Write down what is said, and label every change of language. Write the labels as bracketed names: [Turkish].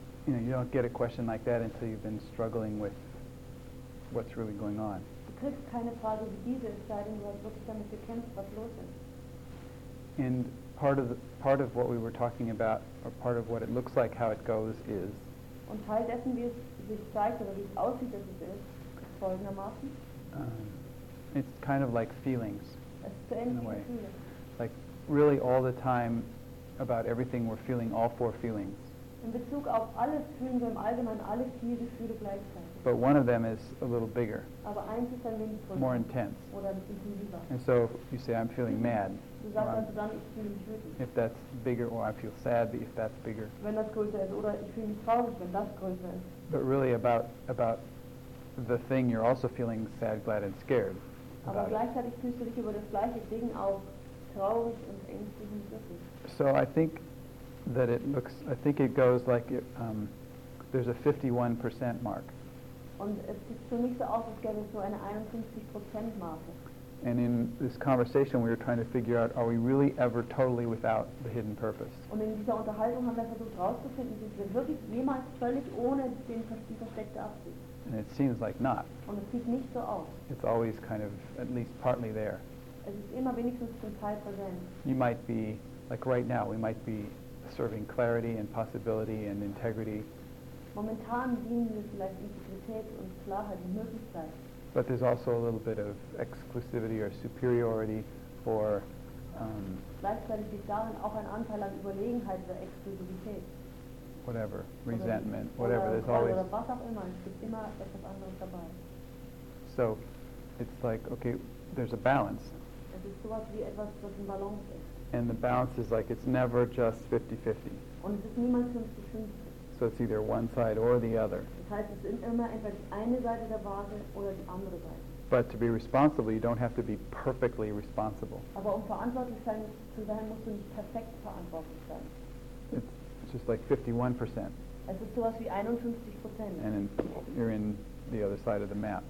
[English] You know, you don't get a question like that until you've been struggling with what's really going on. [German] Du kriegst keine Frage wie diese, es sei denn, du hast wirklich damit gekämpft, was los ist. [English] And part of what we were talking about, or part of what it looks like how it goes, is. [German] Und Teil dessen, wie es sich zeigt oder wie es aussieht, dass es ist, folgendermaßen. [English] It's kind of like feelings. [German] Es ist so ähnlich wie Gefühle. [English] Like really all the time, about everything we're feeling, all four feelings. [German] In Bezug auf alles fühlen wir im Allgemeinen alle vier Gefühle gleichzeitig. [English] But one of them is a little bigger. [German] Aber eins ist ein wenig größer. [English] More intense. [German] Oder ein bisschen lieber. [English] And so you say, I'm feeling mad. [German] Du sagst also dann, ich fühle mich wütend. [English] If that's bigger, or I feel sad, if that's bigger. [German] Wenn das größer ist, oder ich fühle mich traurig, wenn das größer ist. [English] But really about the thing, you're also feeling sad, glad and scared. [German] Aber gleichzeitig fühlst du dich über das gleiche Ding auch traurig und ängstlich und wütend. [English] So I think it goes like there's a 51% mark. [German] Und es sieht für mich so aus, als gäbe es so eine 51% Marke. [English] And in this conversation, we were trying to figure out, are we really ever totally without the hidden purpose? [German] Und in dieser Unterhaltung haben wir versucht herauszufinden, sind wir wirklich jemals völlig ohne den versteckten Absicht? [English] And it seems like not. [German] Und es sieht nicht so aus. [English] It's always kind of at least partly there. [German] Es ist immer wenigstens zum Teil präsent. [English] You might be, like right now, we might be serving clarity and possibility and integrity. [German] Momentan dienen wir vielleicht Integrität und Klarheit und Möglichkeit. [English] But there's also a little bit of exclusivity or superiority or [German] gleichzeitig liegt darin auch ein Anteil an Überlegenheit oder Exklusivität. [English] Whatever, resentment, whatever, there's always. [German] Oder was auch immer, es gibt immer etwas anderes dabei. [English] So, it's like, okay, there's a balance. [German] Es ist sowas wie etwas, was ein Balance ist. [English] And the balance is like, it's never just 50-50. [German] Und es ist niemals 50-50. [English] So it's either one side or the other. [German] Das heißt, es ist immer entweder die eine Seite der Waage oder die andere Seite. [English] But to be responsible, you don't have to be perfectly responsible. [German] Aber um verantwortlich sein zu sein, musst du nicht perfekt verantwortlich sein. [English] It's just like 51%. [German] Es ist sowas wie 51%. [English] And then you're in the other side of the map.